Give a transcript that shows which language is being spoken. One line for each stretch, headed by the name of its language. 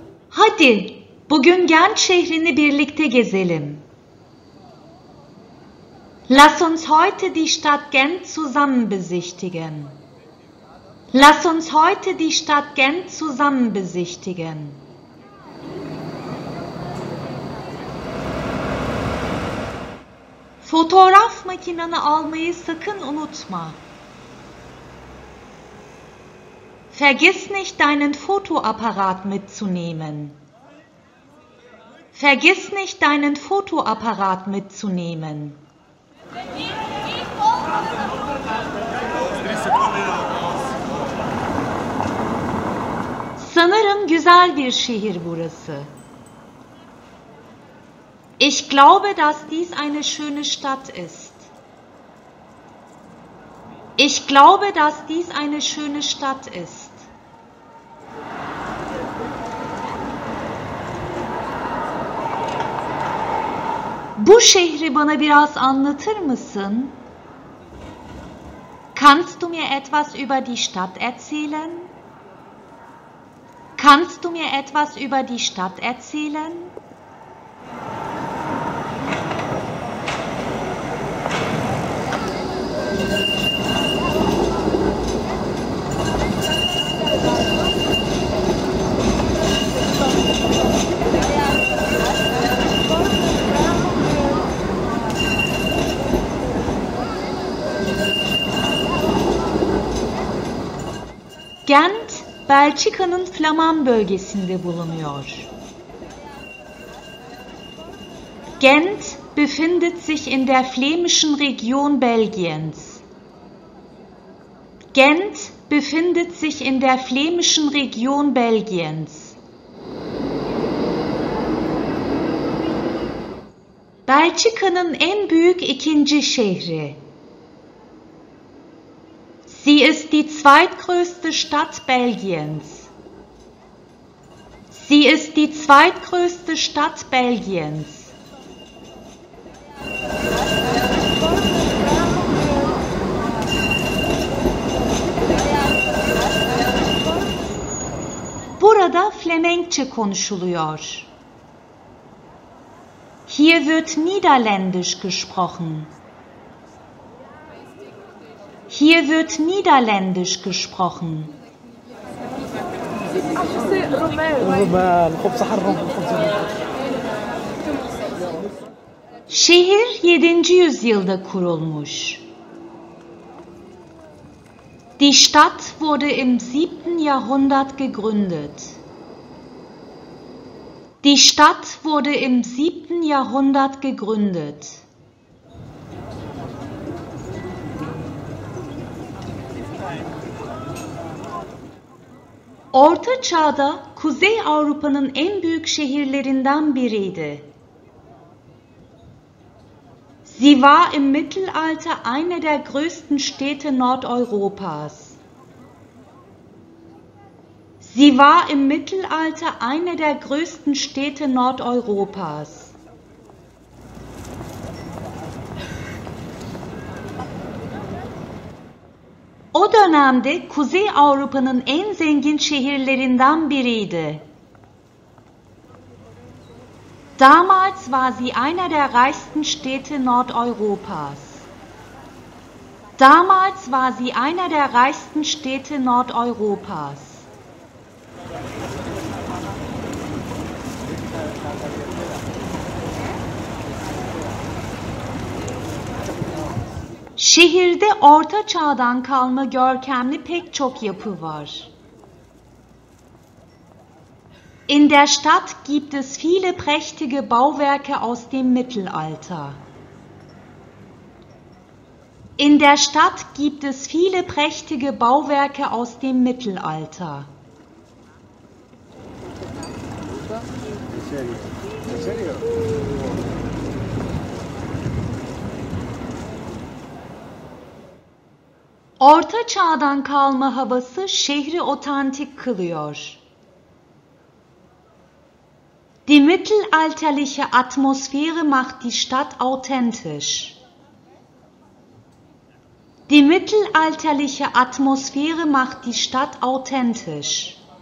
Turkish: Hadi, bugün Gent şehrini birlikte gezelim.
German: Lass uns heute die Stadt Gent zusammen besichtigen. Lass uns heute die Stadt Gent zusammen besichtigen.
Turkish: Fotoğraf makineni almayı sakın unutma.
German: Vergiss nicht, deinen Fotoapparat mitzunehmen. Vergiss nicht, deinen Fotoapparat mitzunehmen.
Turkish: Sanırım güzel bir şehir burası.
German: Ich glaube, dass dies eine schöne Stadt ist. Ich glaube, dass dies eine schöne Stadt ist.
Turkish: Bu şehri bana biraz anlatır mısın?
German: Kannst du mir etwas über die Stadt erzählen? Kannst du mir etwas über die Stadt erzählen?
Turkish: Gent, Belçika'nın Flaman bölgesinde bulunuyor.
German: Gent befindet sich in der flämischen Region Belgiens. Gent befindet sich in der flämischen Region Belgiens.
Turkish: Belçika'nın en büyük ikinci şehri.
German: Sie ist die zweitgrößte Stadt Belgiens. Sie ist die zweitgrößte Stadt Belgiens.
Turkish: Burada Flemenkçe konuşuluyor.
German: Hier wird Niederländisch gesprochen. Hier wird Niederländisch gesprochen.
Turkish: Şehir 7. yüzyılda kurulmuş.
German: Die Stadt wurde im 7. Jahrhundert gegründet. Die Stadt wurde im 7. Jahrhundert gegründet.
Turkish: Orta Çağ'da Kuzey Avrupa'nın en büyük şehirlerinden biriydi.
German: Sie war im Mittelalter eine der größten Städte Nordeuropas. Sie war im Mittelalter eine der größten Städte Nordeuropas.
Turkish: O dönemde Kuzey Avrupa'nın en zengin şehirlerinden biriydi.
German: Damals war sie einer der reichsten Städte Nordeuropas. Damals war sie einer der reichsten Städte Nordeuropas.
Turkish: Şehirde Orta Çağ'dan kalma görkemli pek çok yapı var.
German: In der Stadt gibt es viele prächtige Bauwerke aus dem Mittelalter. In der Stadt gibt es viele prächtige Bauwerke aus dem Mittelalter.
Turkish: Orta Çağ'dan kalma havası şehri otantik kılıyor.
German: Die mittelalterliche Atmosphäre macht die Stadt authentisch. Die mittelalterliche Atmosphäre macht die Stadt authentisch.